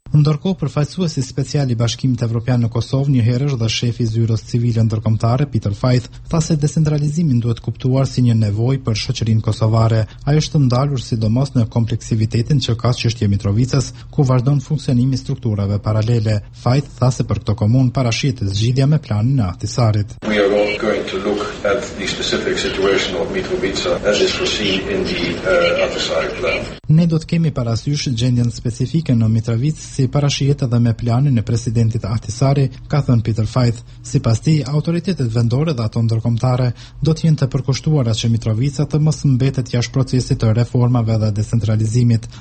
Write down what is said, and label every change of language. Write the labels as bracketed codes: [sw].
[sq] Ndërkohë, përfaqësuesi special i Bashkimit Evropian në Kosovë, një herë është dhe shefi i zyrës civile ndërkombëtare, Peter Faith, tha se decentralizimin duhet kuptuar si një nevojë për shoqërinë kosovare. Ai është ndalur sidomos në kompleksivitetin që ka çështja e Mitrovicës, ku vazhdon funksionimi strukturave paralele. Faith tha se për këtë komunë parashihet zgjidhja me planin e Ahtisarit. [en] We are all going to look at the specific situation of Mitrovica as is foreseen in the Ahtisarit plan. [sq] Ne do të kemi parasysh gjendjen specifike në Mitrovicë si parashihet edhe me planin e presidentit Ahtisari, ka thënë Peter Faith. Sipas tij, autoritetet vendore dhe ato ndërkombëtare do të jenë të përkushtuara që Mitrovica të mos mbetet jashtë procesit të reformave dhe decentralizimit.